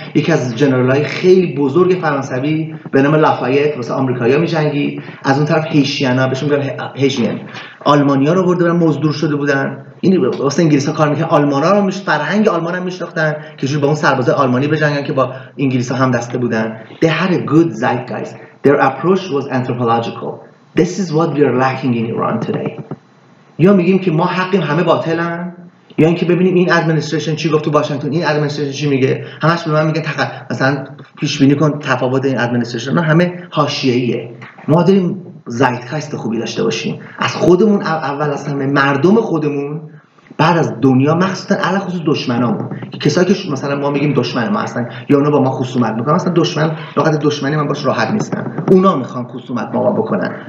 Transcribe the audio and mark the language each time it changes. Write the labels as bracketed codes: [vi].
[fa] یکی از جنرالای خیلی بزرگ فرانسوی به نام لافایت واسه آمریکایی‌ها میجنگی، از اون طرف هیشیانا بهشون میگن هیشیان، آلمانیا رو برده بودن مزدور شده بودن، یعنی واسه انگلیس‌ها کار میکردن، آلمانا رو مش فرهنگ آلمان هم میشناختن که جوری با اون سربازای آلمانی بجنگن که با انگلیس‌ها هم دسته بودن. [en] They had a good zeitgeist. Their approach was anthropological. This is what we are lacking in Iran today. [fa] یا میگیم که ما حقیم همه باطلن، یا اینکه ببینیم این ادمنستریشن چی گفت تو واشنگتن، این ادمنستریشن چی میگه، همش به من میگه مثلا پیش بینی کن تفاوت این ادمنستریشن، همه حاشیه‌ایه. ما داریم زایتگایست خوبی داشته باشیم، از خودمون اول، از همه مردم خودمون، بعد از دنیا، مخصوصا علی خصوص دشمنامون، کسایی که مثلا ما میگیم دشمن ما هستن یا اونا با ما خصومت میکنن، مثلا دشمن، لغت دشمنی من باش راحت نیستم، اونا میخوان خصومت با ما بکنن.